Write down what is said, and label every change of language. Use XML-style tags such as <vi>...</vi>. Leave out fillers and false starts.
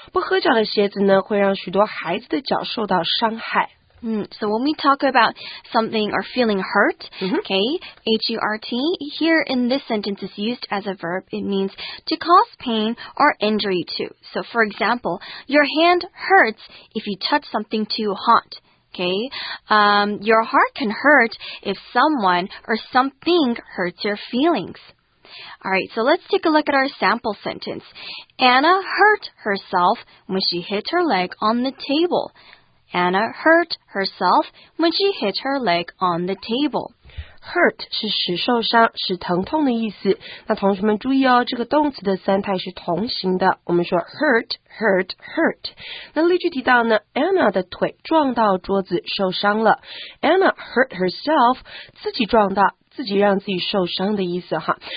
<zh>不合脚的鞋子呢，会让许多孩子的脚受到伤害。</zh> <en>So when we talk about something or feeling hurt, okay, H-U-R-T, here in this sentence is used as a verb. It means to cause pain or injury too. So for example, your hand hurts if you touch something too hot. Okay, your heart can hurt if someone or something hurts your feelings. All right, so let's take a look at our sample sentence. Anna hurt herself when she hit her leg on the table. Anna hurt herself when she hit her leg on the table.</en> <zh>Hurt 是使受伤、使疼痛的意思。那同学们注意哦，这个动词的三态是同形的。我们说</zh> <en>hurt, hurt, hurt。</en> <zh>那例句提到呢 ，Anna 的腿撞到桌子受伤了。</zh> <en>Anna hurt herself，</en> <zh>自己撞到。自己让自己受伤的意思哈。</zh>